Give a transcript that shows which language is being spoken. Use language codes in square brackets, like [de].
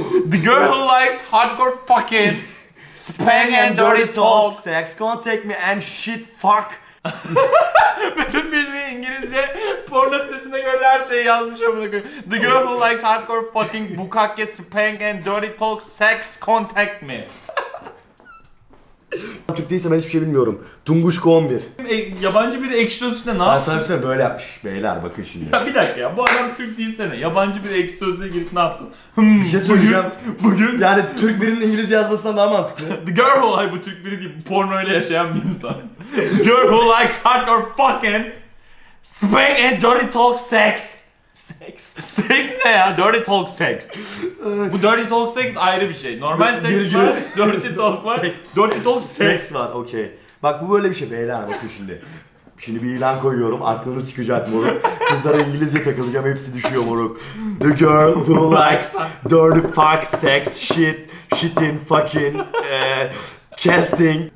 [en] The girl who likes hardcore fucking spank and dirty talk sex contact me and shit fuck. [tr] Bütün bildiği İngilizce porno sitesinde görülen her şeyi yazmış amına koyayım. [en] The girl who likes hardcore fucking bukkake spank and dirty talk sex contact me. [tr] Türk değilsem ben hiçbir şey bilmiyorum. Tunguşka 11. Yabancı biri ekşisözlüğüne ne yapsın? Ben sana böyle yapmış. Beyler bakın şimdi. Ya bir dakika ya, bu adam Türk değilse ne? Yabancı biri ekşisözlüğüne girip ne yapsın? Bir şey söyleyeceğim. Bugün yani Türk birinin İngiliz yazmasından daha mantıklı. [en] The girl who likes, [tr] bu Türk biri değil. Porno ile yaşayan bir insan. [en] The girl who likes hardcore fucking spank and dirty talk sex. Sex. Sex [tr] ne ya? [en] Dirty talk sex. [tr] Bu [en] dirty talk sex [tr] ayrı bir şey. [en] Normal sex [tr] var, [en] dirty talk var. Dirty talk sex, [tr] sex var, okey. Bak bu böyle bir şey beyler, bakın şimdi. Şimdi bir ilan koyuyorum, aklınız çıkacak moruk. Kızlara İngilizce takılacağım, hepsi düşüyor moruk. [en] The girl who likes dirty fuck sex shit. Shitting fucking casting.